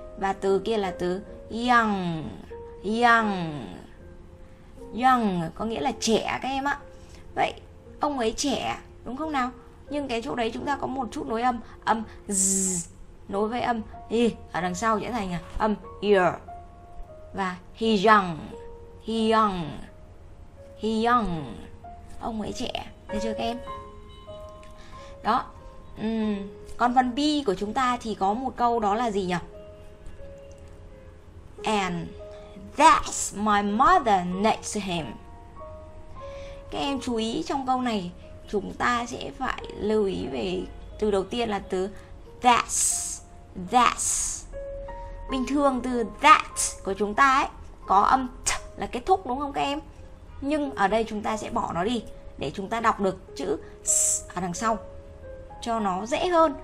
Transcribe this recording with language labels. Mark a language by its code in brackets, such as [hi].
[vi] Và từ kia là từ young. Young. Young có nghĩa là trẻ các em ạ. Vậy ông ấy trẻ đúng không nào? Nhưng cái chỗ đấy chúng ta có một chút nối âm, âm z nối với âm y ở đằng sau sẽ thành âm ear. Và [en] he young, he young, he young, [vi] ông ấy trẻ. Được chưa các em? Đó. Còn phần B của chúng ta thì có một câu đó là gì nhỉ? [en] And that's my mother next to him. [vi] Các em chú ý trong câu này, chúng ta sẽ phải lưu ý về từ đầu tiên là từ that's. That's. Bình thường từ that của chúng ta ấy có âm t là kết thúc đúng không các em? Nhưng ở đây chúng ta sẽ bỏ nó đi để chúng ta đọc được chữ s ở đằng sau cho nó dễ hơn.